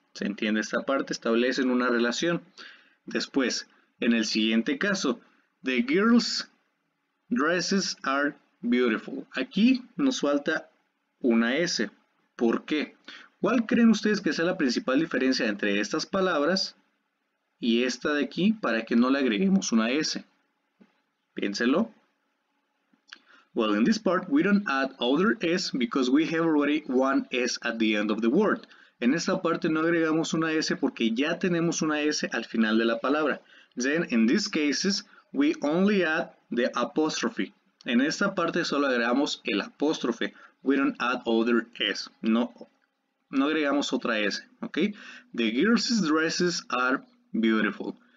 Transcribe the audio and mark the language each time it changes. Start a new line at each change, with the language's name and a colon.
Spanish: ¿Se entiende esta parte? Establecen una relación. Después, en el siguiente caso,
English: the girls' dresses are beautiful.
Spanish: Aquí nos falta una S. ¿Por qué? ¿Cuál creen ustedes que sea la principal diferencia entre estas palabras y esta de aquí para que no le agreguemos una S? Piénselo.
English: Well, in this part, we don't add other S because we have already one S at the end of the word.
Spanish: En esta parte no agregamos una S porque ya tenemos una S al final de la palabra.
English: Then, in these cases, we only add the apostrophe.
Spanish: En esta parte solo agregamos el apóstrofe.
English: We don't add other S.
Spanish: No agregamos otra S, ¿ok?
English: The girls' dresses are beautiful.